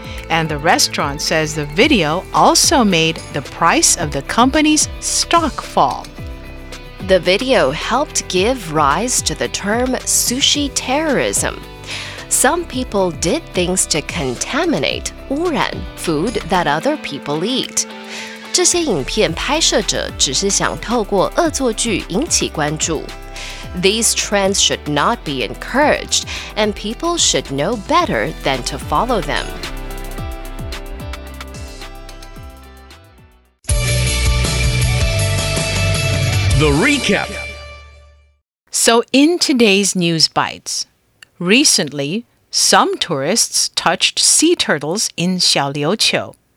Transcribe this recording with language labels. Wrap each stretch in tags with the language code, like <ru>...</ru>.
<en>And the restaurant says the video also made the price of the company's stock fall. The video helped give rise to the term sushi terrorism. Some people did things to contaminate, 污染, food that other people eat.</en> <zh>这些影片拍摄者只是想透过恶作剧引起关注。</zh> <en>These trends should not be encouraged, and people should know better than to follow them. The Recap. So in today's News Bites, recently, some tourists touched sea turtles in Xiaoliuqiu.</en>